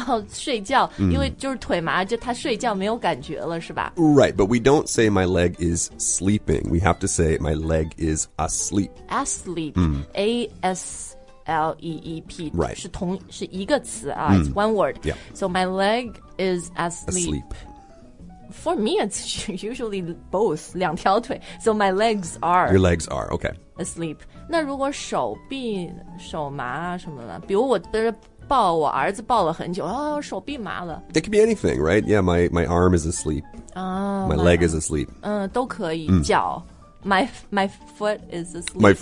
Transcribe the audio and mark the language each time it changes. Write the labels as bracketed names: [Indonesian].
[Chinese] 睡觉、因为就是腿麻就他睡觉没有感觉了是吧 [English] Right, but we don't say my leg is sleeping We have to say my leg is asleep Asleep,、A-S-L-E-E-P Right [Chinese] 是一个词啊、 [English] It's one word、So my leg is asleep For me, it's usually both, [Chinese] 两条腿 [English] So my legs are... Your legs are, okay. Asleep. [Chinese] 那如果手臂、手麻什么的比如我抱我儿子抱了很久、手臂麻了。 [English] It could be anything, right? Yeah, my arm is asleep.、My leg is asleep.、 [Chinese] 都可以、脚。 [English] My foot is asleep.